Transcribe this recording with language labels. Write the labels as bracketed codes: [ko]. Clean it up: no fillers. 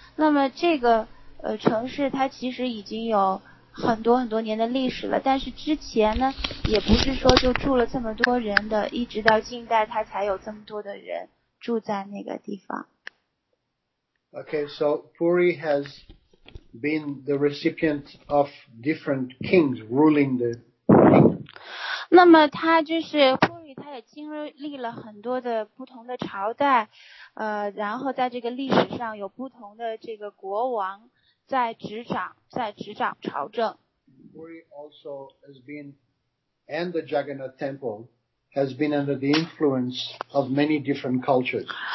[zh] 那么这个城市它其实已经有很多很多年的历史了，但是之前呢也不是说就住了这么多人的，一直到近代它才有这么多的人住在那个地方。 [en] Okay, so Puri has been the recipient of different kings ruling the kingdom. [zh] 那么他就是他也经历了很多的不同的朝代，然后在这个历史上有不同的这个国王在执掌朝政。 [en] Puri also has been, and the Jagannath Temple has been under the influence of many different cultures.